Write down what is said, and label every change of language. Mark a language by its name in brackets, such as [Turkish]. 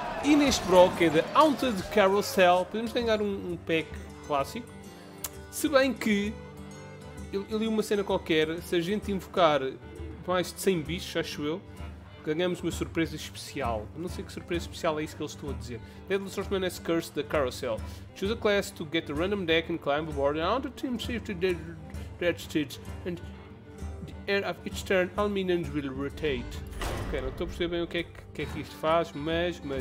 [Portuguese] E neste Brawl, que é da Haunted Carousel, podemos ganhar um pack clássico, se bem que eu li uma cena qualquer, se a gente invocar mais de 100 bichos, acho eu, ganhamos uma surpresa especial. Não sei que surpresa especial é isso que eles estão a dizer. [English] Deadly Swordsman has cursed the carousel. Choose a class to get a random deck and climb aboard and onto team safety dead stage. And the end of each turn, all minions will rotate. [Portuguese] Ok, não estou a perceber bem o que é que isto faz, mas...